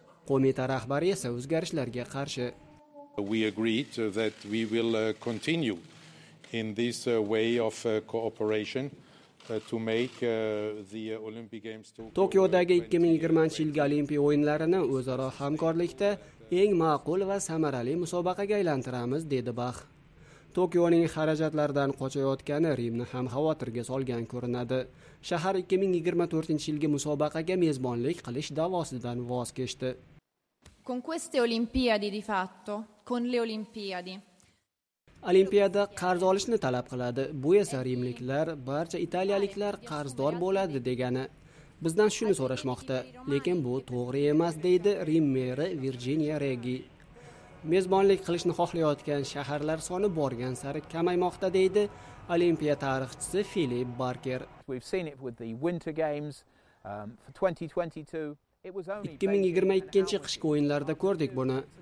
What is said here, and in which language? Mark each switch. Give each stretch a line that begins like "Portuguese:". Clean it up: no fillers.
Uzbek: Qo'mita rahbari esa o'zgarishlarga qarshi.
English: We agreed that we will continue in this way of cooperation. To make the Olympic Games
Uzbek: Tokyodagi 2020-yilgi Olimpiya o'yinlarini o'zaro hamkorlikda eng ma'qul va samarali musobaqaga aylantiramiz, dedi Bax. Tokyoning xarajatlardan qochayotgani Rimni ham xavotirga solgan ko'rinadi. Shahar 2024-yilgi musobaqaga mezbonlik qilish da'vosidan voz kechdi.
Italian: Con queste Olimpiadi di fatto, con le Olimpiadi
Uzbek: Olimpiada qarz olishni talab qiladi. Bu esa rimliklar, barcha italiyaliklar qarzdor bo'ladi degani. Bizdan shuni so'rashmoqda, lekin bu to'g'ri emas, deydi Rim meri Virginia Regi. Mezbonlik qilishni xohlayotgan shaharlar soni borgan sari kamaymoqda, deydi Olimpiya tarixchisi Philip Barker.
English: We've seen it with the Winter Games for 2022. It was only
Uzbek: 2022 qishki o'yinlarda ko'rdik buni.